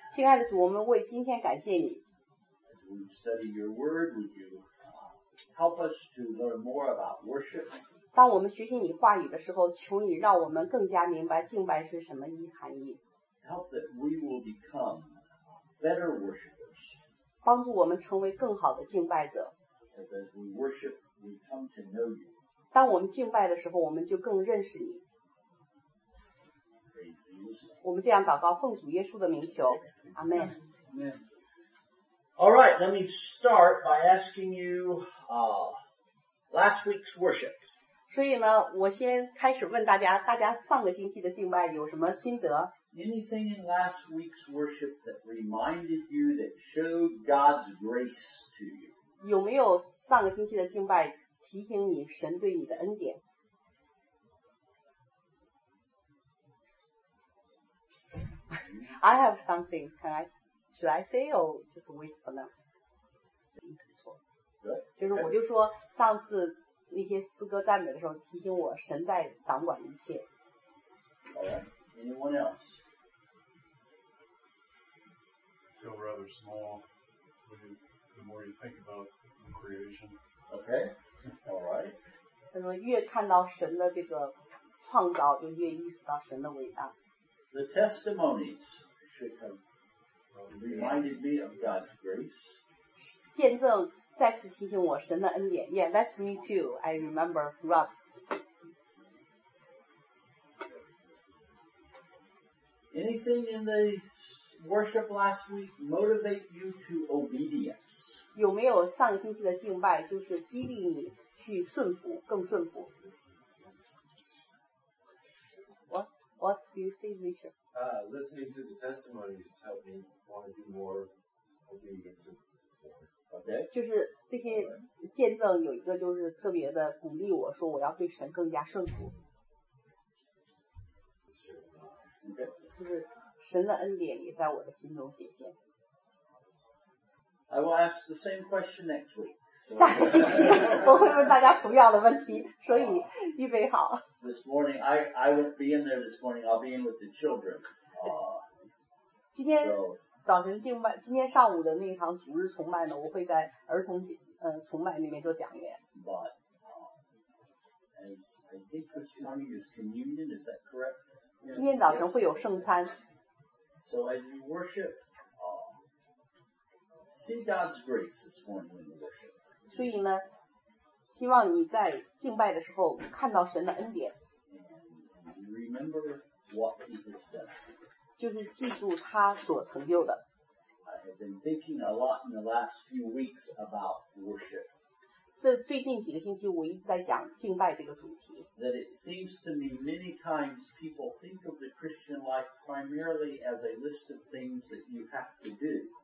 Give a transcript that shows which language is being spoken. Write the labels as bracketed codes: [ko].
[zh] 亲爱的主，我们为今天感谢你。 [en] As we study your word, would you help us to learn more about worship? [zh] 当我们学习你话语的时候，求你让我们更加明白敬拜是什么含义。 [en] Help that we will become better worshipers. [zh] 帮助我们成为更好的敬拜者。 [en] As we worship, we come to know you. [zh] 当我们敬拜的时候，我们就更认识你。我们这样祷告，奉主耶稣的名求，阿门。 [en] All right, let me start by asking you last week's worship. [zh] 所以呢，我先开始问大家，大家上个星期的敬拜有什么心得？ [en] Anything in last week's worship that reminded you that showed God's grace to you? [zh] 有没有上个星期的敬拜提醒你神对你的恩典？ [en] I have something. Should I say or just wait for them? [zh] 错，就是我就说上次那些诗歌赞美的时候提醒我神在掌管一切。 [en] Alright, anyone else? Feel rather small when you, the more you think about creation. Okay. Alright. [zh] 他说越看到神的这个创造，就越意识到神的伟大。 [en] The testimonies. Should have reminded me of God's grace. [zh] 见证再次提醒我神的恩典。 [en] Yeah, that's me too. I remember Rob. Anything in the worship last week motivate you to obedience? [zh] 有没有上个星期的敬拜就是激励你去顺服，更顺服？ [en] What do you say, Richard? Listening to the testimonies helped me want to be more obedient to the Lord. Okay. [zh] 就是这些见证有一个就是特别的鼓励我说我要对神更加顺服。 [en] Okay. [zh] 就是神的恩典也在我的心中显现。 [en] I will ask the same question next week. [zh] 下个星期我会问大家同样的问题，所以预备好。 [en] This morning, I won't be in there this morning. I'll be in with the children. [zh] 今天早晨敬拜，今天上午的那一堂主日崇拜呢，我会在儿童崇拜那边做讲员。 [en] But, as I think this morning is communion, is that correct? [zh] 今天早晨会有圣餐。 [en] So as you worship, see God's grace this morning when you worship. [zh] 所以呢希望你在敬拜的时候看到神的恩典。 [en] Remember what he has done. [zh] 就是记住他所成就的。 [en] I have been thinking a lot in the last few weeks about worship. [zh] 这最近几个星期我一直在讲敬拜这个主题。 [en] That it seems to me many times people think of the Christian life primarily as a list of things that you have to do.